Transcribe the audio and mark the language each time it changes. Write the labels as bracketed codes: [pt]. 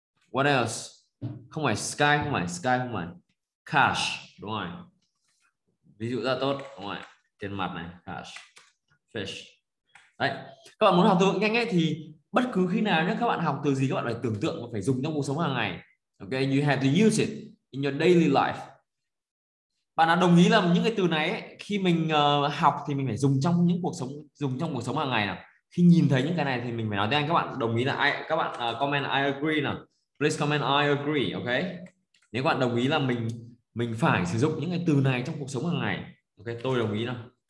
[en] What else? [vi] Không phải sky, không phải sky, không phải. Cash, đúng rồi. Ví dụ ra tốt, đúng rồi. Tiền mặt này, cash. Fish. Đấy, các bạn muốn học từ vựng nhanh ấy thì bất cứ khi nào nhé, các bạn học từ gì các bạn phải tưởng tượng và phải dùng trong cuộc sống hàng ngày. [en] Ok, you have to use it in your daily life. [vi] Bạn nào đồng ý là những cái từ này ấy, khi mình học thì mình phải dùng trong những cuộc sống, dùng trong cuộc sống hàng ngày nào. Khi nhìn thấy những cái này thì mình phải nói tiếng Anh, các bạn đồng ý là ai, các bạn comment [en] I agree [vi] nào. [en] Please comment I agree, ok. [vi] Nếu các bạn đồng ý là mình phải sử dụng những cái từ này trong cuộc sống hàng ngày. Ok, tôi đồng ý nào.